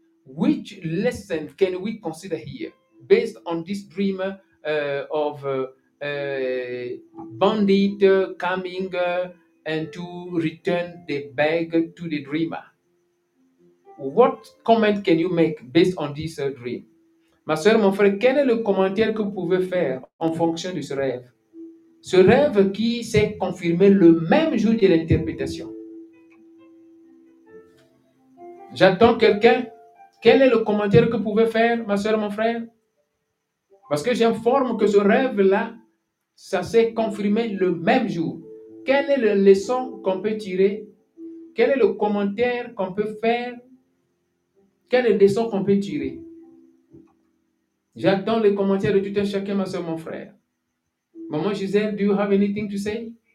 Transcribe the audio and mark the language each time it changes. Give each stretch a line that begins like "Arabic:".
English: Which lesson can we consider here based on this dream of bandit coming and to return the bag to the dreamer? What comment can you make based on this dream?
French: Ma soeur, mon frère, quel est le commentaire que vous pouvez faire en fonction de ce rêve? Ce rêve qui s'est confirmé le même jour de l'interprétation. J'attends quelqu'un. Quel est le commentaire que vous pouvez faire, ma soeur, mon frère? Parce que j'informe que ce rêve-là, ça s'est confirmé le même jour. Quelle est la leçon qu'on peut tirer? Quel est le commentaire qu'on peut faire? Quelle est la leçon qu'on peut tirer? J'attends les commentaires de tout un chacun, ma soeur, mon frère.
English: Maman Gisèle, do you have anything to say?